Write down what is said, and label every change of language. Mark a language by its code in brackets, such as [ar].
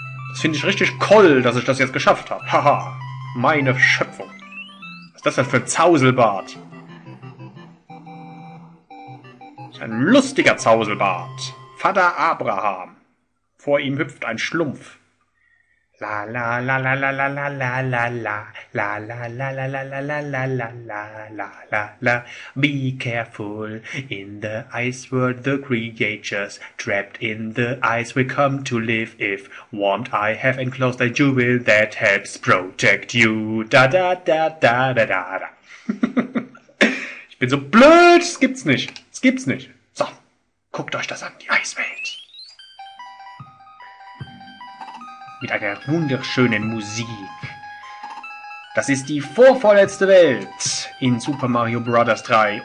[de] Das finde ich richtig Koll, dass ich das jetzt geschafft habe. Haha. Meine Schöpfung. Was ist das denn für ein Zauselbart? Ist ein lustiger Zauselbart. Vater Abraham. Vor ihm hüpft ein Schlumpf. La la la la la la la la la la la la la la la la la la la la la la la. [en] Be careful in the ice world, the creatures trapped in the ice will come to live. If warmed, I have enclosed a jewel that helps protect you. Da da da da da da da. [de] Ich bin so blöd, es gibt's nicht, es gibt's nicht. So, guckt euch das an, die Eiswelt. Mit einer wunderschönen Musik. Das ist die vorvorletzte Welt in Super Mario Bros. 3.